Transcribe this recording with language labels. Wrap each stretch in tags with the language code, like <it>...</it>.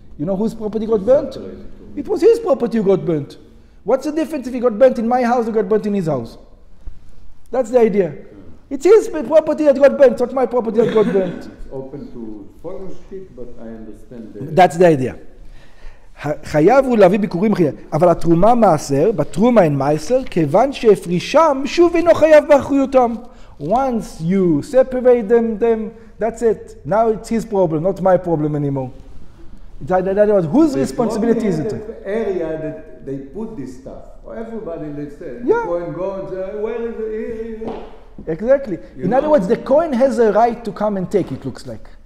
<en>You know whose property got burnt? It was his property who got burnt. What's the difference if he got burnt in my house or got burnt in his house? That's the idea. It's his property that got burnt, not my property that got burnt. It's open to follow shit, but I understand that. That's the idea.</en> <he>חייב הוא להביא ביקורים חייב, אבל התרומה מעשר, בתרומה אין מעשר, כיוון שהפרישם, שוב אינו חייב באחריותם.</he> <en>Once you separate them, that's it. Now it's his problem, not my problem anymore. Whose responsibility is it? The area that they put this stuff. Everybody, let's say, yeah. Where is it? Exactly. You in know, other words, the coin has a right to come and take, it looks like.</en>